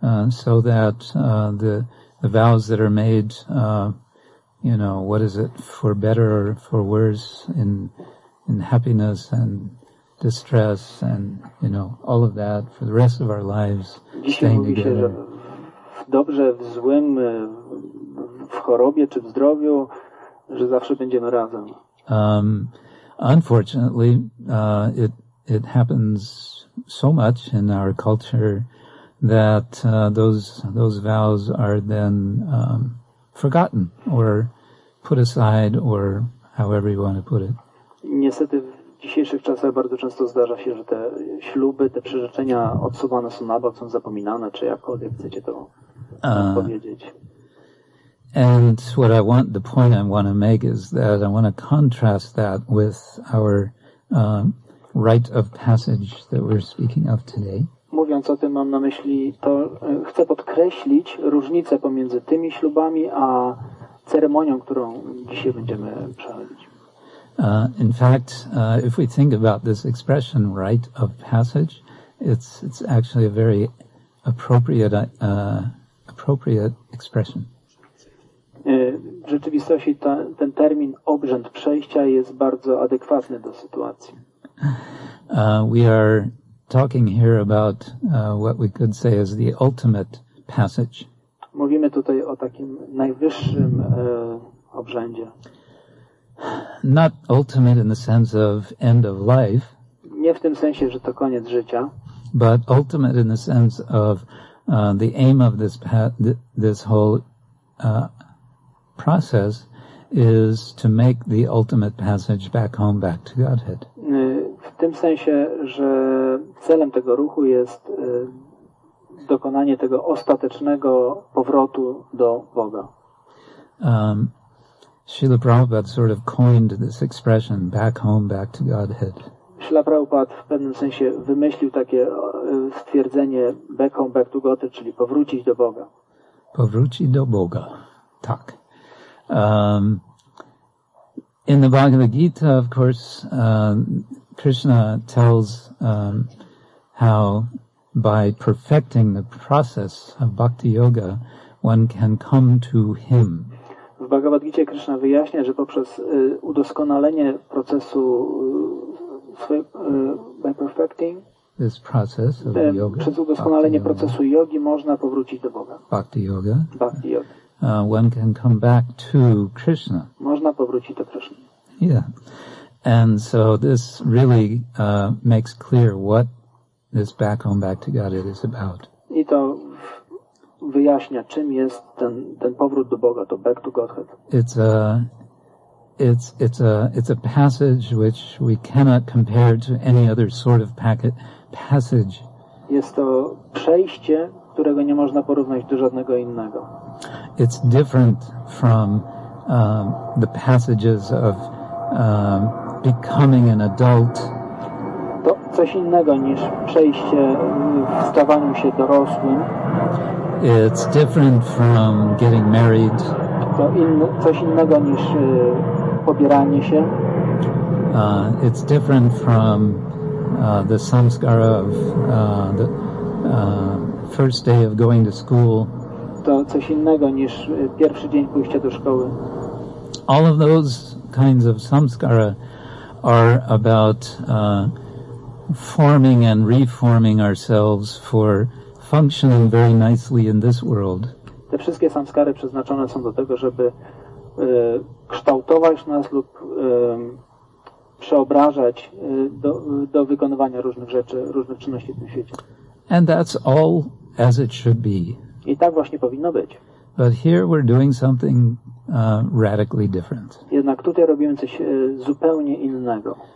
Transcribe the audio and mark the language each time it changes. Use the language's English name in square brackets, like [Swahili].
[English] So that the vows that are made you know, what is it, for better or for worse, in happiness and distress and, you know, all of that for the rest of our lives. [Polish] Dzisiaj mówi [English] together. [Polish] Się, że w dobrze, w złym, w chorobie czy w zdrowiu, że zawsze będziemy razem. [English] Unfortunately, it happens so much in our culture that those vows are then forgotten or put aside, or however you want to put it. [Polish] Niestety w dzisiejszych czasach bardzo często zdarza się, że te śluby, te przyrzeczenia odsuwane są na bok, są zapominane, czy jakkolwiek chcecie to powiedzieć. [English] And what I want, the point I want to make is that I want to contrast that with our rite of passage that we're speaking of today. [Polish] Mówiąc o tym, mam na myśli to, chcę podkreślić różnicę pomiędzy tymi ślubami a ceremonią, którą dzisiaj będziemy przechodzić. [English] In fact, if we think about this expression, rite of passage, it's actually a very appropriate expression. [Polish] W rzeczywistości ten termin obrzęd przejścia jest bardzo adekwatny do sytuacji. [English] We are talking here about what we could say is the ultimate passage. [Polish] Mówimy tutaj o takim najwyższym obrzędzie. [English] Not ultimate in the sense of end of life. [Polish] Nie w tym sensie, że to koniec życia. [English] But ultimate in the sense of the aim of this whole process is to make the ultimate passage back home, back to Godhead. [Polish] W tym sensie, że celem tego ruchu jest dokonanie tego ostatecznego powrotu do Boga. [English] Srila Prabhupada sort of coined this expression, back home, back to Godhead. [Polish] Srila Prabhupada w pewnym sensie wymyślił takie stwierdzenie, [English] back home, back to Godhead, [Polish] czyli powrócić do Boga. Powrócić do Boga, tak. [English] In the Bhagavad Gita, of course, Krishna tells how by perfecting the process of bhakti yoga, one can come to him. [Polish] W Bhagavad Gita Krishna wyjaśnia, że poprzez udoskonalenie procesu [English] by perfecting this process of yoga, [Polish] przez udoskonalenie procesu jogi można powrócić do Boga. [English] Bhakti yoga. [Polish] Bhakti yoga. [English] One can come back to Krishna. [Polish] Można powrócić do Krishna. [English] Yeah. And so this really makes clear what this back home, back to Godhead is about. [Polish] I to wyjaśnia, czym jest ten powrót do Boga, to [English] back to Godhead. It's a passage which we cannot compare to any other sort of passage. [Polish] Jest to przejście, którego nie można porównać do żadnego innego. [English] It's different from the passages of becoming an adult. [Polish] To coś innego niż przejście w stawaniu się dorosłym. [English] It's different from getting married. [Polish] To coś innego niż pobieranie się. [English] It's different from the samskara of the first day of going to school. [Polish] To coś innego niż pierwszy dzień pójścia do szkoły. [English] All of those kinds of samskara are about forming and reforming ourselves for functioning very nicely in this world. [Polish] Te wszystkie samskary przeznaczone są do tego, żeby kształtować nas lub przeobrażać do wykonywania różnych rzeczy, różnych czynności w tym świecie. [English] And that's all as it should be. [Polish] I tak właśnie powinno być. [English] But here we're doing something radically different. [Polish] Jednak tutaj robimy coś zupełnie innego.